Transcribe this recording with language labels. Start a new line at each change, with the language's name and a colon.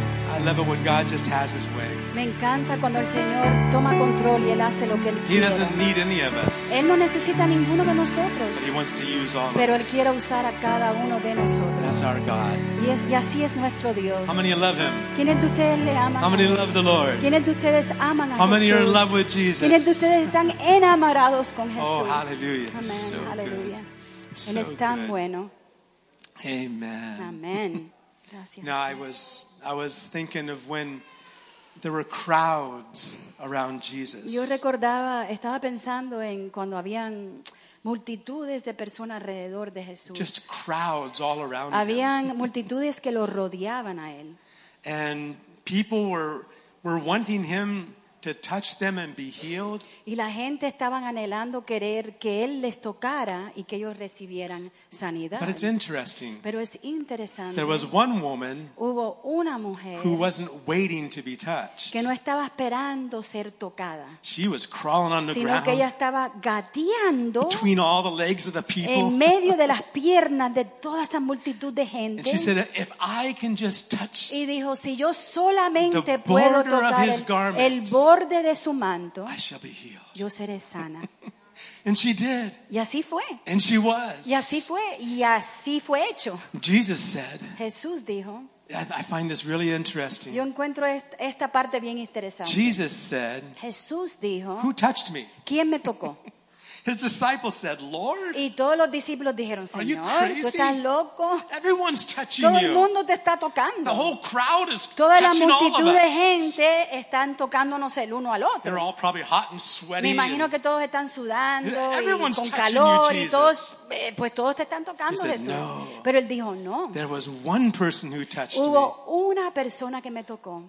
English: I love it when God just has His way.
Spanish: Me encanta cuando el Señor toma control y Él hace lo que Él quiere.
English: He doesn't need any of us.
Spanish: Él no necesita a ninguno de nosotros.
English: But He wants to use all of us.
Spanish: Pero Él quiere usar a cada uno de nosotros.
English: That's our God.
Spanish: Y así es nuestro Dios.
English: How many love Him?
Spanish: ¿Quiénes de ustedes le aman?
English: How many love the Lord?
Spanish: ¿Quiénes de ustedes aman a
English: How many
Spanish: Jesús?
English: Are in love with Jesus?
Spanish: ¿Quiénes de ustedes están enamorados con Jesús?
English: Oh, hallelujah. Amen. So hallelujah. Good. so
Spanish: es tan
English: good.
Spanish: Bueno. Amen. Amen. Gracias.
English: Now I was thinking of when there were crowds around Jesus.
Spanish: Yo recordaba, estaba pensando en cuando habían multitudes de personas alrededor de Jesús.
English: Just crowds all around
Spanish: habían
English: him.
Spanish: Multitudes que lo rodeaban a él.
English: And people were wanting him to touch them and be healed.
Spanish: Y la gente estaban anhelando querer que él les tocara y que ellos recibieran sanidad.
English: But it's interesting.
Spanish: Pero es interesante.
English: There was one woman
Spanish: hubo una mujer
English: who wasn't waiting to be touched.
Spanish: Que no estaba esperando ser tocada.
English: She was crawling on the
Spanish: sino
English: ground.
Spanish: Sino que ella estaba gateando
English: between all the legs of the people.
Spanish: En medio de las piernas de toda esa multitud de gente.
English: And she said, if I can just touch
Spanish: y dijo, si yo solamente
English: the border
Spanish: puedo tocar
English: of his garment,
Spanish: el borde de su manto,
English: I shall be healed.
Spanish: Yo seré sana.
English: And she did.
Spanish: Y así fue.
English: And she was.
Spanish: Y así fue hecho.
English: Jesus said.
Spanish: Jesús dijo.
English: I find this really interesting.
Spanish: Yo encuentro esta parte bien interesante.
English: Jesus said.
Spanish: Jesús dijo.
English: Who touched me?
Spanish: ¿Quién me tocó?
English: His disciples said, "Lord."
Spanish: Y todos los discípulos dijeron, Señor,
English: are you crazy?
Spanish: ¿Tú estás loco?
English: Everyone's touching you.
Spanish: Todo el mundo te está tocando.
English: The whole crowd is touching all of us.
Spanish: Toda la multitud de gente están tocándonos el uno al otro.
English: They're all probably hot and sweaty.
Spanish: Me imagino que todos están sudando
English: everyone's
Spanish: y con
English: touching
Spanish: calor
English: you, Jesus.
Spanish: Y todos pues todos te están tocando,
English: he
Spanish: Jesús.
English: Said, no.
Spanish: Pero él dijo, "No."
English: There was one person who touched
Spanish: hubo
English: me.
Spanish: Hubo una persona que me tocó.